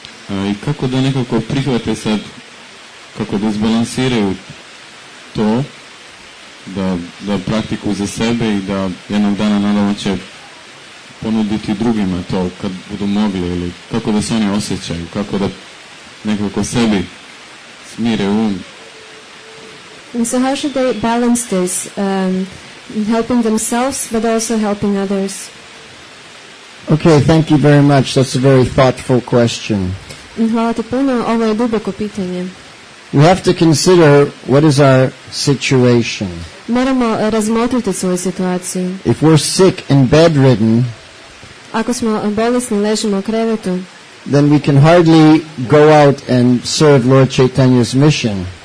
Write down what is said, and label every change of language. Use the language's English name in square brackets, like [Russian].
[Croatian] I kako da nekako prihvate sad, kako da izbalansiraju to, da praktiku za sebe I da jednog dana nadamo će ponuditi drugima to kad budu mogli ili kako da se oni osjećaju, kako da nekako sebi smire um. [English] And so how should they balance this? Helping themselves, but also helping others. Okay, thank you very much. That's a very thoughtful question. [Croatian] Hvala ti puno, ovo je duboko pitanje. [English] We have to consider what is our situation. [Croatian] Moramo razmotriti svoju situaciju. [English] If we're sick and bedridden, [Croatian] ako smo bolesni, ležimo u krevetu, [English] then we can hardly go out and serve Lord Chaitanya's mission.